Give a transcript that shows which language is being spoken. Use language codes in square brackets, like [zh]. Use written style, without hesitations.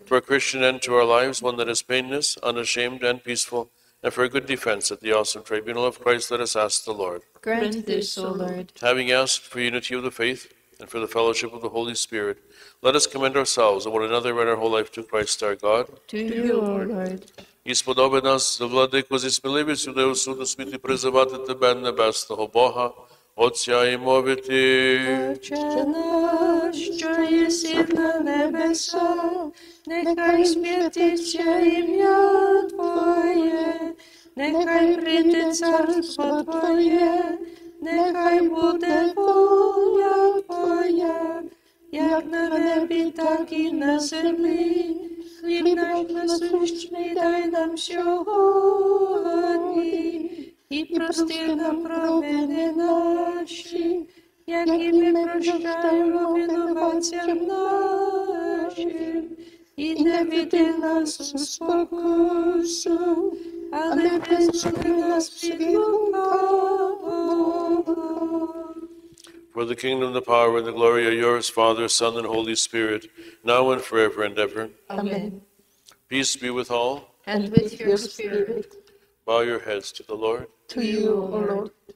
[en] For a Christian end to our lives, one that is painless, unashamed, and peaceful, and for a good defense at the awesome tribunal of Christ, let us ask the Lord. Grant this, O Lord. Having asked for unity of the faith and for the fellowship of the Holy Spirit, let us commend ourselves and one another and our whole life to Christ our God. To you, O Lord. [uk] І сподоби нас, Владико, зі сміливістю до усуду світу призивати Тебе, Небесного Бога, Отця і мовити. Отче наш, що єси на небесах, нехай святиться ім'я Твоє, нехай прийде царство Твоє, нехай буде воля Твоя, як на небі, так і на землі. Хліб наш насущний дай нам сьогодні, і прости нам провини наші, як і ми прощаємо винуватцям нашим. І не веди нас у спокусу, але визволи нас від лукавого. [en] For the kingdom, the power, and the glory are yours, Father, Son, and Holy Spirit, now and forever and ever. Amen. Peace be with all. And with your spirit. Bow your heads to the Lord. To you, O Lord.